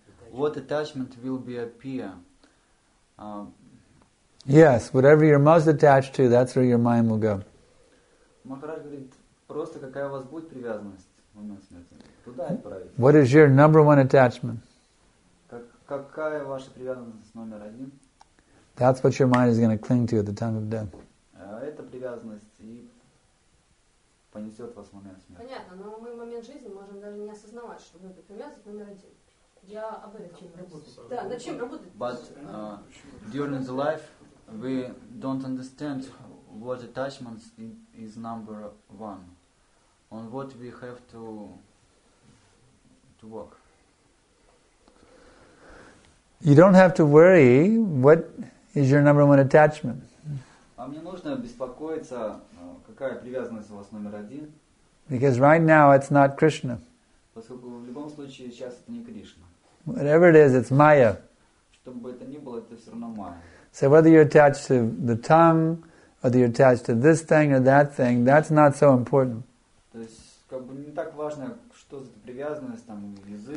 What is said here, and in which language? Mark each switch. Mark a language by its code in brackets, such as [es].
[en] What attachment will be appear? Yes, whatever you're most attached to, that's where your mind will go. [ru] Махарадж говорит, просто какая у вас будет привязанность в момент смерти, туда отправить. [en] What is your number one attachment? [ru] Какая ваша привязанность номер один? [en] That's what your mind is going to cling to at the time of death. [ru] Это привязанность и понесет вас в момент смерти. Понятно, но мы в момент жизни можем даже не осознавать, что мы это привязанность номер один. Я об этом. Да, над чем работать? [en] But during the life we don't understand what attachment is number one. On what we have to work. You don't have to worry. What is your number one attachment? [ru] А мне нужно беспокоиться, какая привязанность у вас номер один? [en] Because right now it's not Krishna. [ru] Поскольку в любом случае сейчас это не Кришна. [en] Whatever it is, it's Maya. [ru] Что бы это ни было, это все равно Maya. [en] So whether you're attached to the tongue, whether you're attached to this thing or that thing, that's not so important. [ru] То есть, как бы не так важно, что за привязанность, там, язык.